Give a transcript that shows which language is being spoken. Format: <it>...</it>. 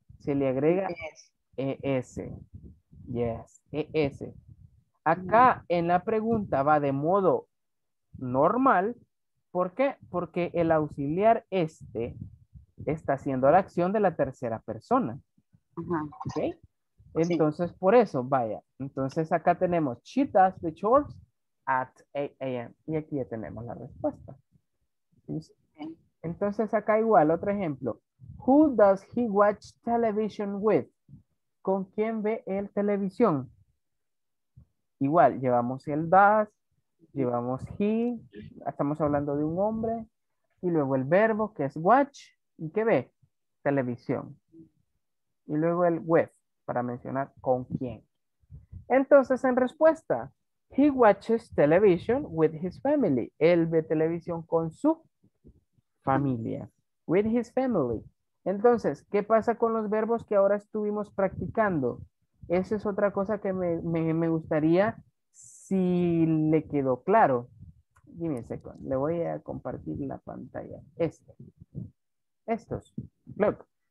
<es>Se le agrega ES. Yes, ES. Acá en la pregunta va de modo normal. ¿Por qué? Porque el auxiliar este está haciendo la acción de la tercera persona. Ajá. ¿Okay? Entonces, sí, por eso, vaya. Entonces, acá tenemos,</es> <en>she does the chores at 8 a.m.</en> <es>Y aquí ya tenemos la respuesta. Entonces, acá igual, otro ejemplo.</es> <en>Who does he watch television with?</en> <es>¿Con quién ve él televisión? Igual, llevamos el does, llevamos he, estamos hablando de un hombre, y luego el verbo que es watch, ¿y qué ve? Televisión. Y luego el with, para mencionar con quién. Entonces, en respuesta,</es> <en>he watches television with his family.</en> <es>Él ve televisión con su familia.</es> <en>With his family.</en> <es>Entonces, ¿qué pasa con los verbos que ahora estuvimos practicando? Esa es otra cosa que me gustaría si le quedó claro.</es> <en>Give me a second.</en> <es>Le voy a compartir la pantalla. Estos. Look.</es>